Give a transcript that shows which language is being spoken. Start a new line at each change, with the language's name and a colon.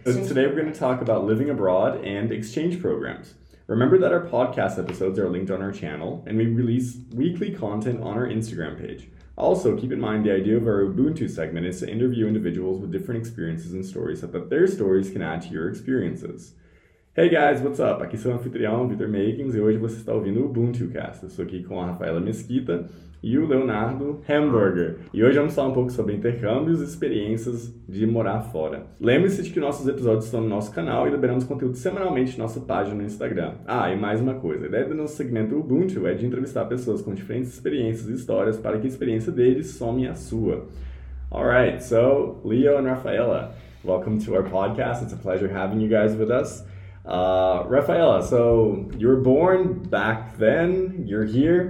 English: So today we're going to talk about living abroad and exchange programs. Remember that our podcast episodes are linked on our channel, and we release weekly content on our Instagram page. Also, keep in mind the idea of our Ubuntu segment is to interview individuals with different experiences and stories so that their stories can add to your experiences. Hey guys, what's up?
Portuguese: Aqui sou o anfitrião, Victor Makings, e hoje você está ouvindo o Ubuntu Cast. Estou aqui com a Rafaela Mesquita e o Leonardo Hamburger. E hoje vamos falar um pouco sobre intercâmbios e experiências de morar fora. Lembre-se de que nossos episódios estão no nosso canal e liberamos conteúdo semanalmente na nossa página no Instagram. Ah, e mais uma coisa, a ideia do nosso segmento Ubuntu é de entrevistar pessoas com diferentes experiências e histórias para que a experiência deles some a sua.
English: Alright, so Leo and Rafaela, welcome to our podcast. It's a pleasure having you guys with us. Rafaela, so you were born back then, you're here.